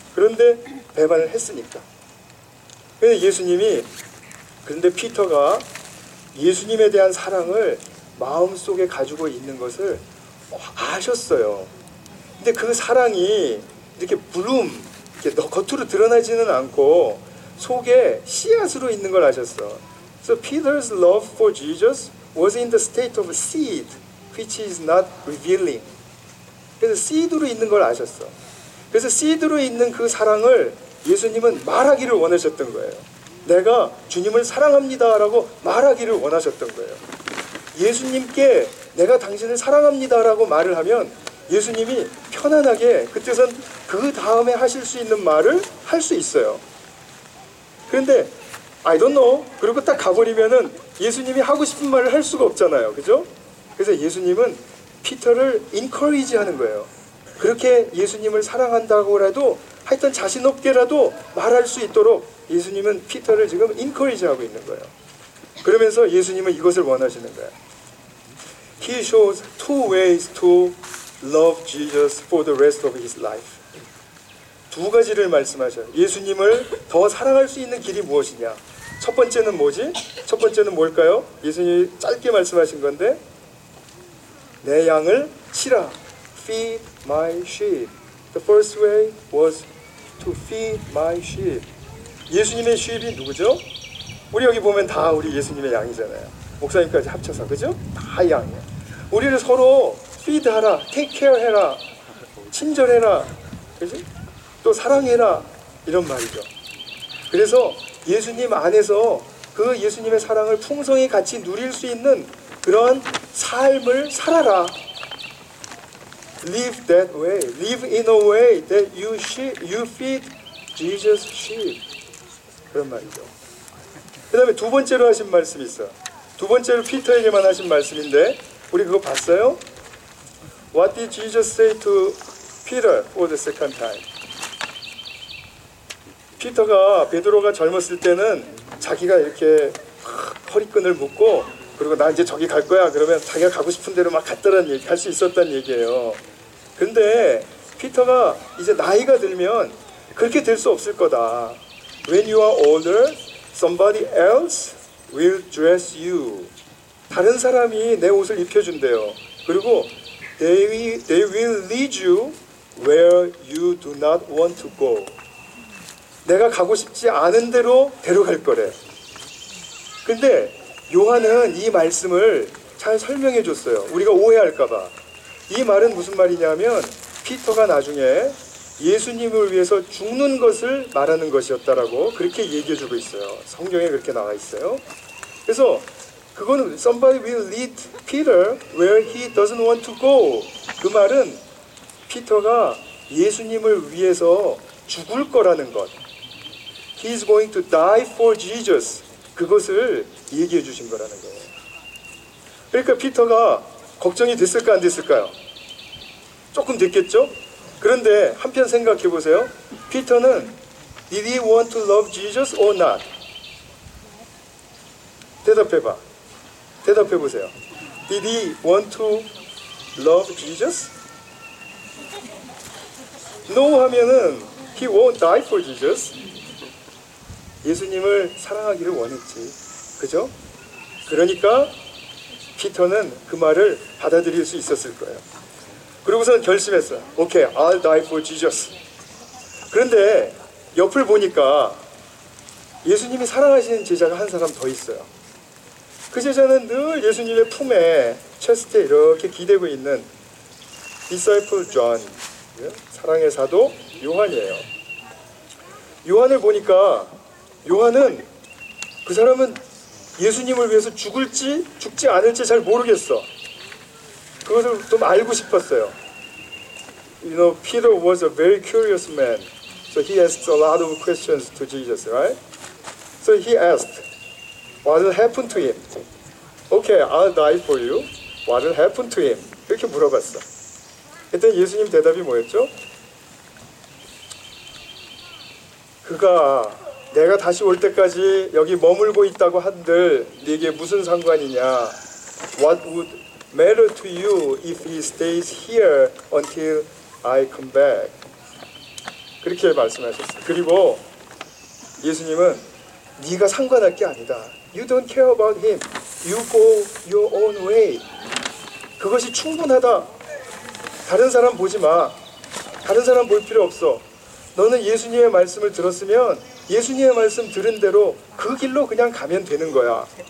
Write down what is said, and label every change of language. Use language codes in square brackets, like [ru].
[ko] 그런데 배반을 했으니까. 그런데 예수님이, 그런데 피터가 예수님에 대한 사랑을 마음속에 가지고 있는 것을 아셨어요. 근데 그 사랑이 이렇게 블룸, 이렇게 겉으로 드러나지는 않고 속에 씨앗으로 있는 걸 아셨어. [en] So Peter's love for Jesus was in the state of a seed which is not revealing. [ko] 그래서 seed로 있는 걸 아셨어. 그래서 seed로 있는 그 사랑을 예수님은 말하기를 원하셨던 거예요. 내가 주님을 사랑합니다 라고 말하기를 원하셨던 거예요. 예수님께 내가 당신을 사랑합니다 라고 말을 하면 예수님이 편안하게 그때선 그 다음에 하실 수 있는 말을 할 수 있어요. 그런데 [en] I don't know. [ko] 그리고 딱 가버리면은 예수님이 하고 싶은 말을 할 수가 없잖아요. 그죠? 그래서 예수님은 피터를 encourage 하는 거예요. 그렇게 예수님을 사랑한다고라도 하여튼 자신 없게라도 말할 수 있도록 예수님은 피터를 지금 encourage 하고 있는 거예요. 그러면서 예수님은 이것을 원하시는 거예요. [en] He shows two ways to love Jesus for the rest of his life. [ko] 두 가지를 말씀하셔요. 예수님을 더 사랑할 수 있는 길이 무엇이냐. 첫 번째는 뭐지? 첫 번째는 뭘까요? 예수님이 짧게 말씀하신 건데 내 양을 치라. [en] Feed my sheep. The first way was to feed my sheep. [ko] 예수님의 sheep이 누구죠? 우리 여기 보면 다 우리 예수님의 양이잖아요. 목사님까지 합쳐서, 그죠? 다 양이에요. 우리를 서로 feed하라, take care해라, 친절해라, 그죠? 또 사랑해라 이런 말이죠. 그래서 예수님 안에서 그 예수님의 사랑을 풍성히 같이 누릴 수 있는 그런 삶을 살아라. [en] Live that way. Live in a way that you feed Jesus' sheep. [ko] 그런 말이죠. 그 다음에 두 번째로 하신 말씀이 있어요. 두 번째로 피터에게만 하신 말씀인데 우리 그거 봤어요? [en] What did Jesus say to Peter for the second time? [ko] 피터가 베드로가 젊었을 때는 자기가 이렇게 허리끈을 묶고 그리고 나 이제 저기 갈 거야 그러면 자기가 가고 싶은 대로 막 갔다는 얘기 할 수 있었단 얘기예요. 근데 피터가 이제 나이가 들면 그렇게 될 수 없을 거다. [en] When you are older, somebody else will dress you. [ko] 다른 사람이 내 옷을 입혀준대요. 그리고 [en] they will lead you where you do not want to go. [ko] 내가 가고 싶지 않은 대로 데려갈 거래. 근데 요한은 이 말씀을 잘 설명해 줬어요. 우리가 오해할까 봐. 이 말은 무슨 말이냐면 피터가 나중에 예수님을 위해서 죽는 것을 말하는 것이었다라고 그렇게 얘기해 주고 있어요. 성경에 그렇게 나와 있어요. 그래서 그거는 [en] somebody will lead Peter where he doesn't want to go. [ko] 그 말은 피터가 예수님을 위해서 죽을 거라는 것. [en] He is going to die for Jesus. [ko] 그것을 얘기해 주신 거라는 거예요. 그러니까 피터가 걱정이 됐을까 안 됐을까요? 조금 됐겠죠? 그런데 한편 생각해 보세요. 피터는 [en] Did he want to love Jesus or not? [ko] 대답해 봐. 대답해 보세요. [en] Did he want to love Jesus? No [ko] 하면은 [en] He won't die for Jesus. [ko] 예수님을 사랑하기를 원했지. 그죠? 그러니까 피터는 그 말을 받아들일 수 있었을 거예요. 그러고서 결심했어요. [en] Okay, I'll die for Jesus. [ko] 그런데 옆을 보니까 예수님이 사랑하시는 제자가 한 사람 더 있어요. 그 제자는 늘 예수님의 품에 체스트에 이렇게 기대고 있는 Disciple John, 사랑의 사도 요한이에요. 요한을 보니까 요한은 그 사람은 예수님을 위해서 죽을지 죽지 않을지 잘 모르겠어. 그것을 좀 알고 싶었어요. [en] You know, Peter was a very curious man. So he asked a lot of questions to Jesus, right? So he asked, what will happen to him? Okay, I'll die for you. What will happen to him? [ko] 이렇게 물어봤어. 그랬더니 예수님 대답이 뭐였죠? 그가 내가 다시 올 때까지 여기 머물고 있다고 한들 네게 무슨 상관이냐? [en] What would matter to you if he stays here until I come back? [ko] 그렇게 말씀하셨어요. 그리고 예수님은 네가 상관할 게 아니다. [en] You don't care about him. You go your own way. [ko] 그것이 충분하다. 다른 사람 보지 마. 다른 사람 볼 필요 없어. 너는 예수님의 말씀을 들었으면 예수님의 말씀 들은 대로 그 길로 그냥 가면 되는 거야.